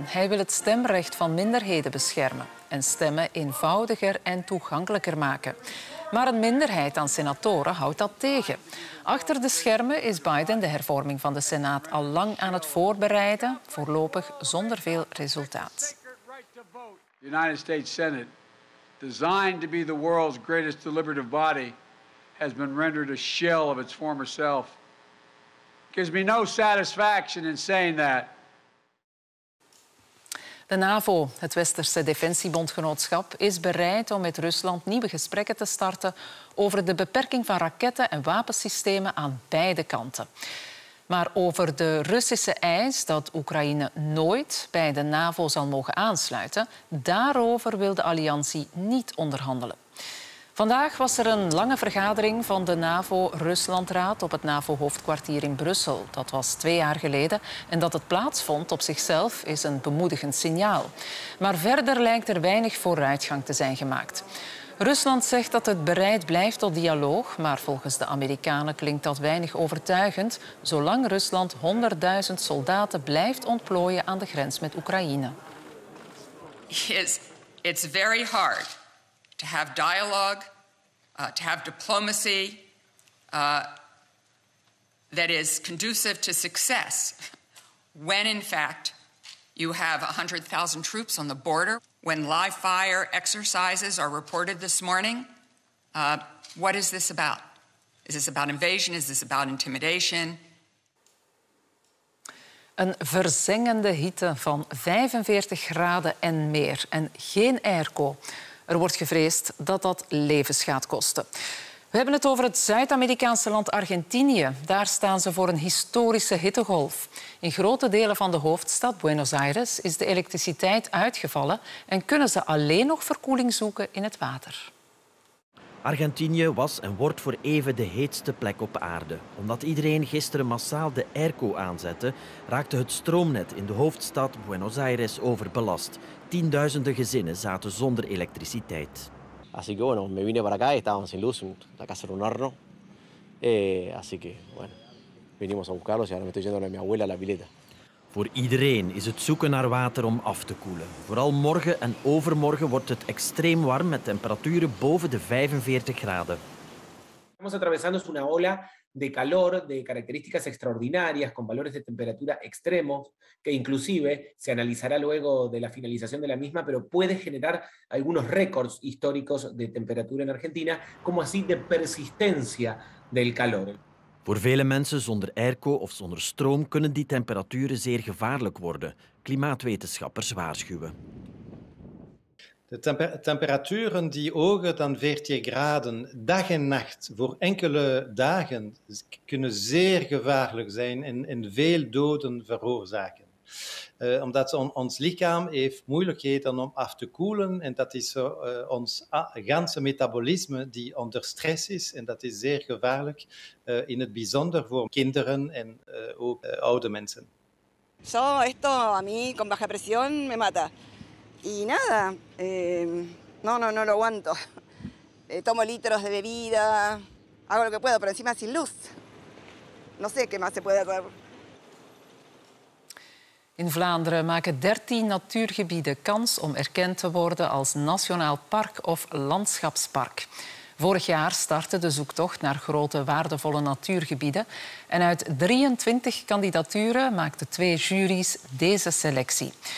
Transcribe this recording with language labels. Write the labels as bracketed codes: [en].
[nl] Hij wil het stemrecht van minderheden beschermen en stemmen eenvoudiger en toegankelijker maken. Maar een minderheid aan senatoren houdt dat tegen. Achter de schermen is Biden de hervorming van de Senaat al lang aan het voorbereiden, voorlopig zonder veel resultaat. [en] The United States Senate, designed to be the world's greatest deliberative body, has been rendered a shell of its former self. Gives me no satisfaction in saying that. [nl] De NAVO, het Westerse Defensiebondgenootschap, is bereid om met Rusland nieuwe gesprekken te starten over de beperking van raketten en wapensystemen aan beide kanten. Maar over de Russische eis dat Oekraïne nooit bij de NAVO zal mogen aansluiten, daarover wil de alliantie niet onderhandelen. Vandaag was er een lange vergadering van de NAVO-Ruslandraad op het NAVO-hoofdkwartier in Brussel. Dat was 2 jaar geleden. En dat het plaatsvond op zichzelf is een bemoedigend signaal. Maar verder lijkt er weinig vooruitgang te zijn gemaakt. Rusland zegt dat het bereid blijft tot dialoog, maar volgens de Amerikanen klinkt dat weinig overtuigend, zolang Rusland 100.000 soldaten blijft ontplooien aan de grens met Oekraïne. [en] It's very hard to have dialogue, to have diplomacy that is conducive to success when in fact you have 100,000 troops on the border. When live fire exercises are reported this morning, what is this about? Is this about invasion? Is this about intimidation? [nl] Een verzengende hitte van 45 graden en meer en geen airco. Er wordt gevreesd dat dat levens gaat kosten. We hebben het over het Zuid-Amerikaanse land Argentinië. Daar staan ze voor een historische hittegolf. In grote delen van de hoofdstad Buenos Aires is de elektriciteit uitgevallen en kunnen ze alleen nog verkoeling zoeken in het water. Argentinië was en wordt voor even de heetste plek op aarde. Omdat iedereen gisteren massaal de airco aanzette, raakte het stroomnet in de hoofdstad Buenos Aires overbelast. Tienduizenden gezinnen zaten zonder elektriciteit. [es] Así que bueno, me vine para acá y estaban sin luz, la casa era un horno. Así que bueno, vinimos a buscarlos y ahora me estoy yendo a mi abuela a la pileta. [nl] Voor iedereen is het zoeken naar water om af te koelen. Vooral morgen en overmorgen wordt het extreem warm met temperaturen boven de 45 graden. [es] Estamos atravesando una ola de calor de características extraordinarias con valores de temperatura extremos que inclusive se analizará luego de la finalización de la misma, pero puede generar algunos récords históricos de temperatura en Argentina, como así de persistencia del calor. [nl] Voor vele mensen zonder airco of zonder stroom kunnen die temperaturen zeer gevaarlijk worden. Klimaatwetenschappers waarschuwen. De temperaturen die hoger dan 40 graden dag en nacht voor enkele dagen kunnen zeer gevaarlijk zijn en veel doden veroorzaken. Omdat ons lichaam heeft moeilijkheden om af te koelen en dat is ons ganse metabolisme die onder stress is en dat is zeer gevaarlijk, in het bijzonder voor kinderen en ook oude mensen. [es] Yo esto a mí con baja presión me mata y nada, no lo aguanto. Tomo litros de bebida, hago lo que puedo, pero encima sin luz. No sé qué más se puede hacer. [nl] In Vlaanderen maken 13 natuurgebieden kans om erkend te worden als nationaal park of landschapspark. Vorig jaar startte de zoektocht naar grote waardevolle natuurgebieden. En uit 23 kandidaturen maakten 2 jury's deze selectie.